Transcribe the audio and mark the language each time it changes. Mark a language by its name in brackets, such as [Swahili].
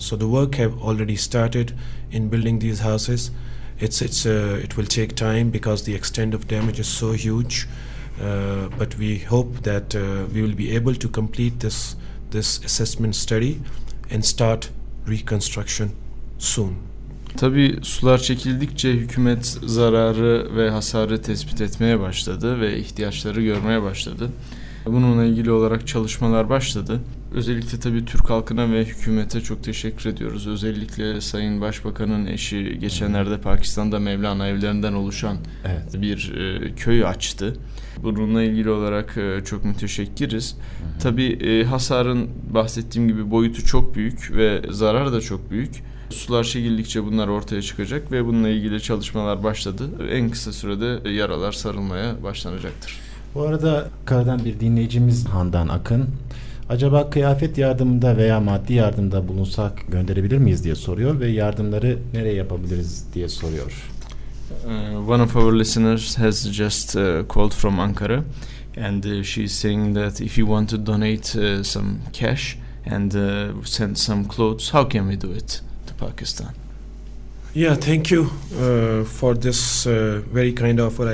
[English] So the work have already started in building these houses. It will take time because the extent of damage is so huge, but we hope that we will be able to complete this assessment study and start reconstruction soon. [Turkish] Tabii sular çekildikçe hükümet zararı ve hasarı tespit etmeye başladı ve ihtiyaçları görmeye başladı. Bununla ilgili olarak çalışmalar başladı. Özellikle tabii Türk halkına ve hükümete çok teşekkür ediyoruz. Özellikle Sayın Başbakan'ın eşi geçenlerde Pakistan'da Mevlana evlerinden oluşan bir köy açtı. Bununla ilgili olarak çok müteşekkiriz. Tabii hasarın bahsettiğim gibi boyutu çok büyük ve zarar da çok büyük. Sular çekildikçe bunlar ortaya çıkacak ve bununla ilgili çalışmalar başladı. En kısa sürede yaralar sarılmaya başlanacaktır. Bu arada Kar'dan bir dinleyicimiz Handan Akın, acaba kıyafet yardımında veya maddi yardımda bulunsak gönderebilir miyiz diye soruyor ve yardımları nereye yapabiliriz diye soruyor. [English] One of our listeners has just called from Ankara and she's saying that if you want to donate some cash and send some clothes, how can we do it? Pakistan. Yeah, thank you for this very kind offer.